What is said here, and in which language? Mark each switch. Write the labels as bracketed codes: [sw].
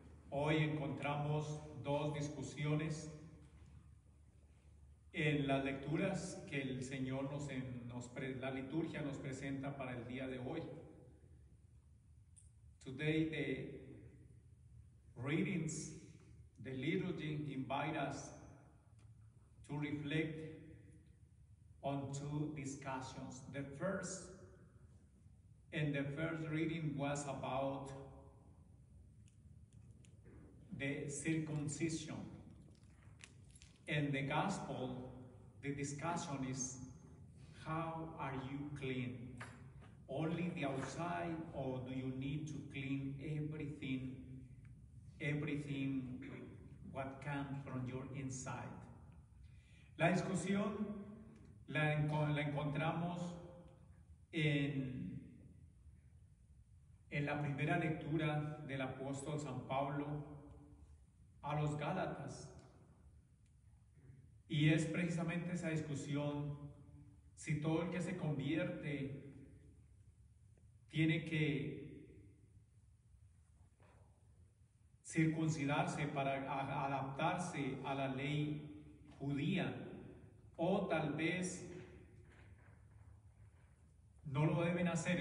[es] Hoy encontramos dos discusiones en las lecturas que el Señor la liturgia nos presenta para el día de hoy. [en] Today the readings, the liturgy invite us to reflect on two discussions. The first reading was about the circumcision. In the gospel, the discussion is, how are you clean? Only the outside, or do you need to clean everything what comes from your inside? [es] La discusión la encontramos en la primera lectura del apóstol San Pablo a los Gálatas. Y es precisamente esa discusión, si todo el que se convierte tiene que circuncidarse para adaptarse a la ley judía, o tal vez no lo deben hacer.